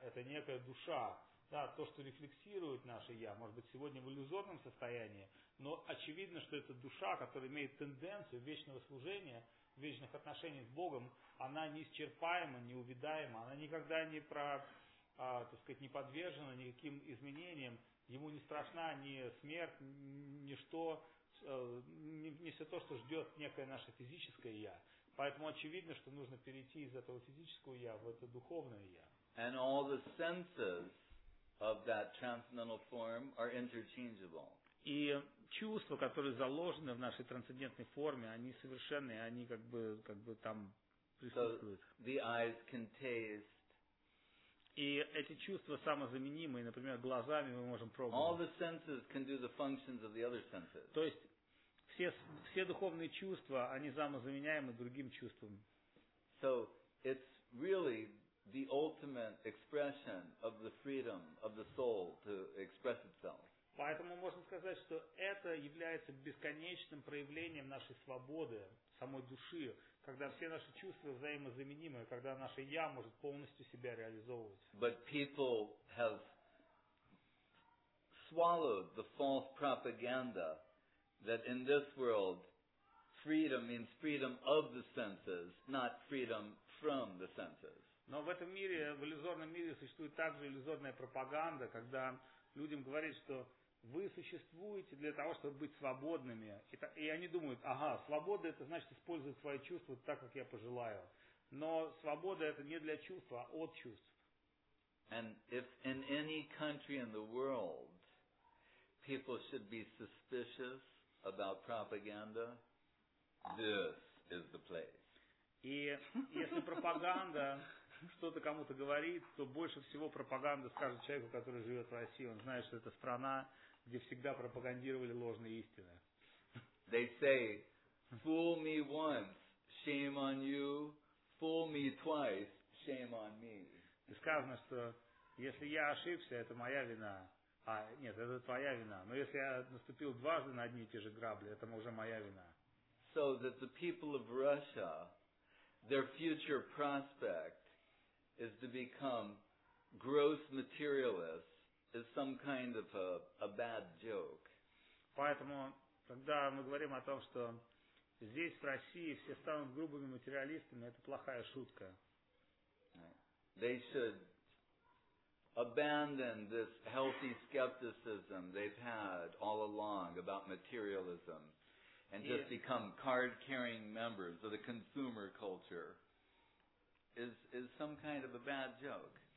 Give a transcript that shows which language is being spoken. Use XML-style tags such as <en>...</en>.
<ru>Это некая душа, да, то, что рефлексирует наше «я», может быть, сегодня в иллюзорном состоянии, но очевидно, что эта душа, которая имеет тенденцию вечного служения, вечных отношений с Богом, она неисчерпаема, неувидаема, она никогда не, не подвержена никаким изменениям, ему не страшна ни смерть, ничто, не все то, что ждет некое наше физическое «я». Поэтому очевидно, что нужно перейти из этого физического «я» в это духовное «я».</ru> <en>And all the senses of that transcendental form are interchangeable.</en> <ru>И чувства, которые заложены в нашей трансцендентной форме, они совершенны, они как бы там присутствуют.</ru> <en>So the eyes can taste.</en> <ru>И эти чувства самозаменимые, например, глазами мы можем пробовать.</ru> <en>All the senses can do the functions of the other senses.</en> <ru>То есть все духовные чувства, они самозаменяемы другим чувством.</ru> <en>So it's really the ultimate expression of the freedom of the soul to express itself.</en> <ru>Поэтому можно сказать, что это является бесконечным проявлением нашей свободы, самой души, когда все наши чувства взаимозаменимы, когда наше «я» может полностью себя реализовывать.</ru> <en>But people have swallowed the false propaganda that in this world freedom means freedom of the senses, not freedom from the senses.</en> <ru>Но в этом мире, в иллюзорном мире, существует также иллюзорная пропаганда, когда людям говорят, что вы существуете для того, чтобы быть свободными. И они думают, ага, свобода – это значит использовать свои чувства так, как я пожелаю. Но свобода – это не для чувства, а от чувств.</ru> <en>And if in any country in the world people should be suspicious about propaganda, this is the place.</en> <ru>И если пропаганда что-то кому-то говорит, то больше всего пропаганда скажет человеку, который живет в России. Он знает, что это страна, где всегда пропагандировали ложные истины.</ru> <en>They say, fool me once, shame on you. Fool me twice, shame on me.</en> <ru>И сказано, что если я ошибся, это моя вина. А, нет, это твоя вина. Но если я наступил дважды на одни и те же грабли, это уже моя вина.</ru> <en>So that the people of Russia, their future prospect is to become gross materialists is some kind of a bad joke.</en> <ru>Поэтому, когда мы говорим о том, что здесь, в России, все станут грубыми материалистами, это плохая шутка.</ru> <en>They should abandon this healthy skepticism they've had all along about materialism and just become card-carrying members of the consumer culture is some kind of a bad joke.</en>